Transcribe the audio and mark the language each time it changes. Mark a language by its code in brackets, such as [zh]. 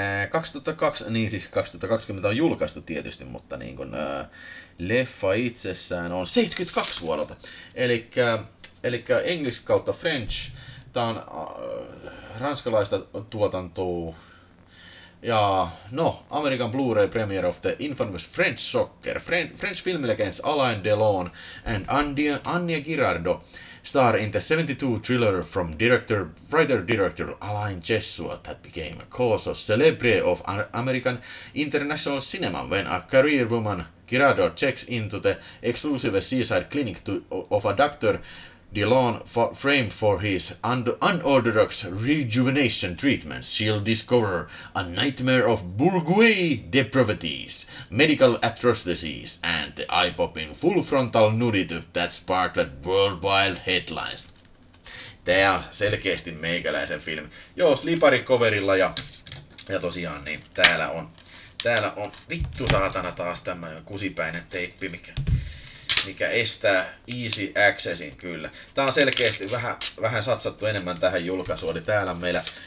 [fi] 2002, niin siis 2020 on julkaistu tietysti, mutta niin kun, leffa itsessään on 72 vuodelta. Eli English kautta French, tää on ranskalaista tuotantoa. Ja no, [en] American Blu-ray premiere of the infamous French Shocker, French film legends Alain Delon and Annie Girardot star in the 72 thriller from writer-director Alain Hessua that became a cause of celebre of American international cinema when a career woman Girardot checks into the exclusive seaside clinic of a doctor Delon framed for his unorthodox rejuvenation treatments, she'll discover a nightmare of bourgeois depravities, medical atrocities, and the eye-popping full frontal nudity that sparkled worldwide headlines. [fi] Tää on selkeästi meikäläisen filmi. Joo, slipari coverilla ja tosiaan niin täällä on vittu saatana taas tämmönen kusipäinen teippi, mikä estää easy accessin kyllä. Tää on selkeästi vähän satsattu enemmän tähän julkaisuun. Eli täällä on meillä